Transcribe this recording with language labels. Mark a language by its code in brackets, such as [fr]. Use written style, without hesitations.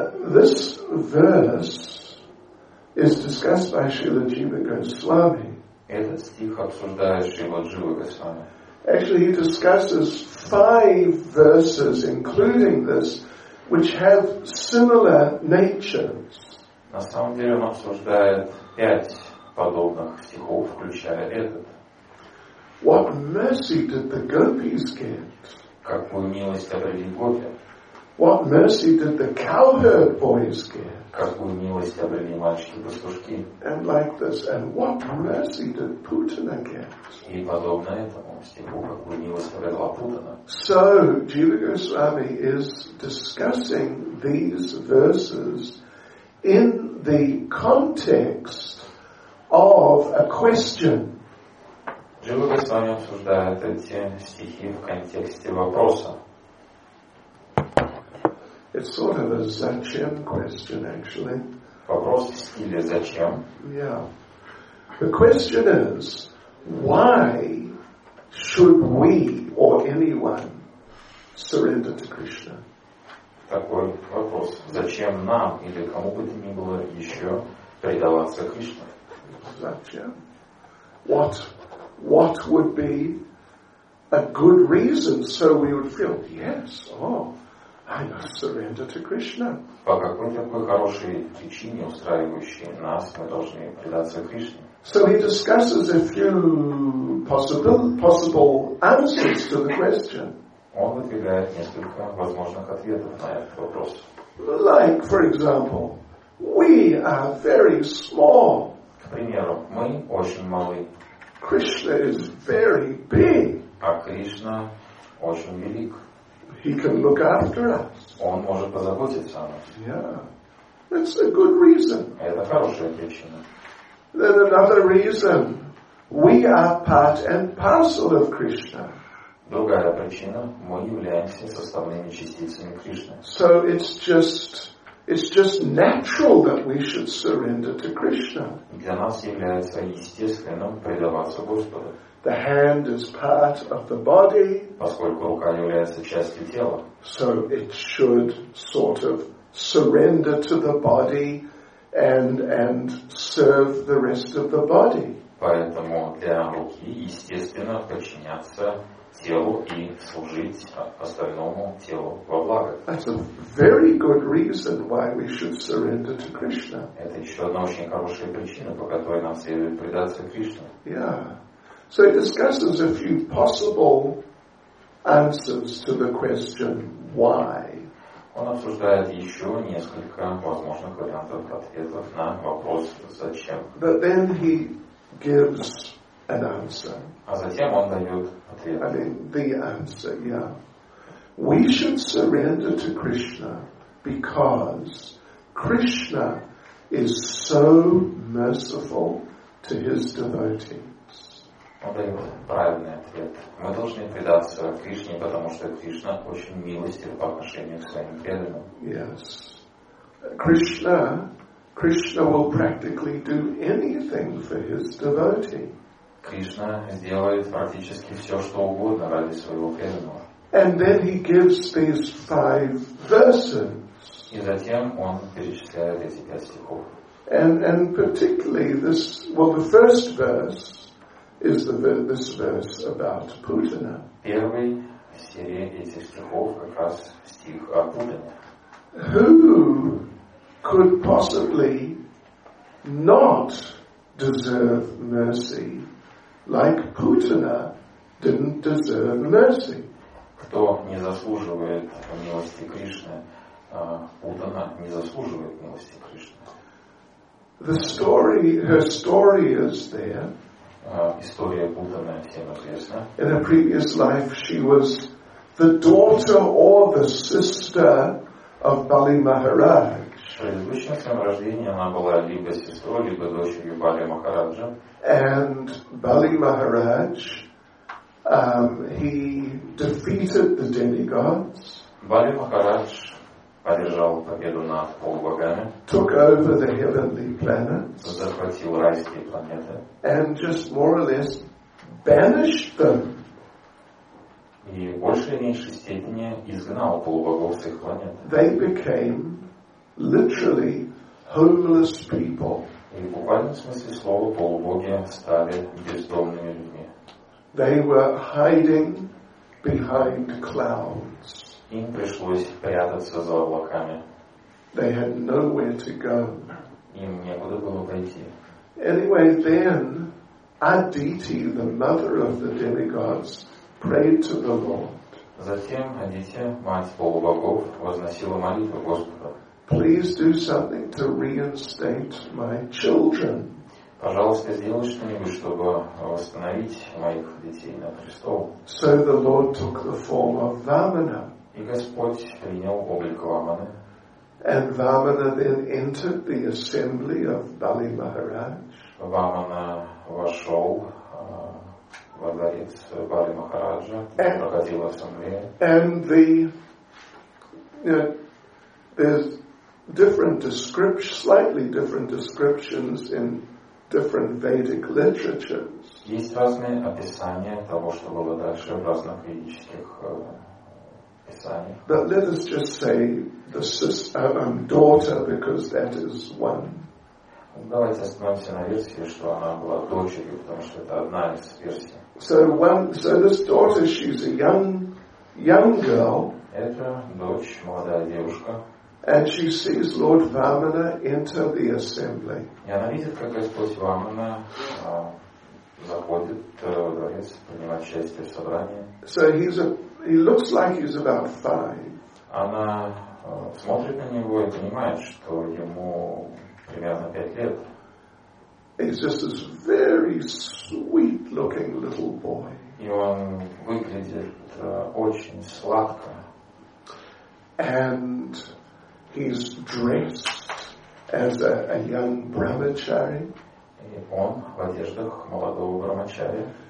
[en] this verse is discussed by Srila Jiva Goswami. [ru] Этот стих обсуждает Шрила Джива Госвами. [en] Actually, he discusses five verses, including this, which have similar natures. [ru] На самом деле он обсуждает пять подобных стихов, включая этот. [en] What mercy did the gopis get? [ru] Какую милость обрели гопи? [en] What mercy did the cowherd boys get? [ru] Какую милость обрели мальчики-пастушки? [en] And like this, and what mercy did Putana get? [ru] И подобно этому стиху, какую милость обрела Путана? [en] So, Jiva Goswami is discussing these verses in the context of a question. [ru] Джива Госвами обсуждает эти стихи в контексте вопроса. [en] It's sort of a [ru] зачем [en] question, actually. [ru] Вопрос в стиле зачем? [en] Yeah. The question is, why should we or anyone surrender to Krishna? [ru] Такой вопрос. Зачем нам или кому бы то ни было еще предаваться Кришне? Зачем? [en] What would be a good reason so we would feel, yes, oh, I must surrender to Krishna. [ru] По какой такой хорошей причине, устраивающей нас, мы должны предаться Кришне? [en] So he discusses a few possible answers to the question. [ru] Он выдвигает несколько возможных ответов на этот вопрос. [en] Like, for example, we are very small. [ru] К примеру, мы очень малы. [en] Krishna is very big. [ru] А Кришна очень велик. [en] He can look after us. [ru] Он может позаботиться о нас. [en] Yeah. That's a good reason. [ru] Это хорошая причина. [en] Then another reason. We are part and parcel of Krishna. [ru] Другая причина. Мы являемся составными частицами Кришны. [en] So it's just natural that we should surrender to Krishna. [ru] Для нас является естественным предаваться Господу. [en] The hand is part of the body. [ru] Поскольку рука является частью тела. [en] So it should sort of surrender to the body and serve the rest of the body. [ru] Поэтому для руки естественно подчиняться телу и служить остальному телу во благо. [en] That's a very good reason why we should surrender to Krishna. [ru] Это еще одна очень хорошая причина, по которой нам следует предаться Кришне. [en] Yeah. So he discusses a few possible answers to the question why. [ru] Он обсуждает еще несколько возможных вариантов ответов на вопрос зачем. [en] But then he gives an answer. [ru] А затем он дает ответ. [en] I mean, the answer, yeah. We should surrender to Krishna because Krishna is so merciful to his devotees. [ru] Он дает правильный ответ. Мы должны предаться Кришне, потому что Кришна очень милостив по отношению к своим преданным. [en] Yes. Krishna will practically do anything for his devotee. [ru] Кришна сделает практически все, что угодно ради своего преданного. [en] And then he gives these five verses. [ru] И затем он перечисляет эти пять стихов. [en] And particularly this, well, the first verse is this verse about Putana. [ru] Первый в серии этих стихов как раз стих о Путане. [en] Who could possibly not deserve mercy? Like Putana didn't deserve mercy. [ru] Кто не заслуживает милости Кришны, Путана не заслуживает милости Кришны. [en] The story, her story is there. [ru] История Путаны всем известна. [en] In a previous life she was the daughter or the sister of Bali Maharaj. [ru] В предыдущем своем рождении она была либо сестрой, либо дочерью Бали Махараджа. [en] And Bali Maharaj, he defeated the demigods. [ru] Бали Махарадж одержал победу над полубогами. [en] Took over the heavenly planets. [ru] Захватил райские планеты. [en] And just more or less banished them. [ru] И в большей или меньшей степени изгнал полубогов с их планеты. [en] They became literally homeless people. [ru] И в буквальном смысле слова полубоги стали бездомными людьми. [en] They were hiding behind clouds. [ru] Им пришлось прятаться за облаками. [en] They had nowhere to go. [ru] Им некуда было пойти. [en] Anyway, then Aditi, the mother of the demigods, prayed to the Lord. [ru] Затем Адити, мать полубогов, возносила молитву Господу. [en] Please do something to reinstate my children. [ru] Пожалуйста, сделай что-нибудь, чтобы восстановить моих детей на престол. [en] So the Lord took the form of Vamana. [ru] И Господь принял облик Вамана. [en] And Vamana then entered the assembly of Bali Maharaj. [ru] Vamana вошел во дворец Бали Махараджа, проходила ассамблея. [en] And the there's different descriptions, slightly different descriptions in different Vedic literatures. [ru] Есть разные описания того, что было дальше в разных ведических писаниях. [en] But let us just say the daughter, because that is one. [ru] Давайте остановимся на версии, что она была дочерью, потому что это одна из версий. [en] So this daughter, she's a young girl. [ru] Это дочь, молодая девушка. [en] And she sees Lord Vamana enter the assembly. [ru] И она видит, как Господь Вамана заходит в дворец, принимает участие в собрании. [en] So he looks like he's about 5. [ru] Она смотрит на него и понимает, что ему примерно 5 лет. [en] He's just this very sweet-looking little boy. [ru] И он выглядит очень сладко. [en] And he's dressed as a young brahmachari. [ru] И он в одеждах молодого брахмачари.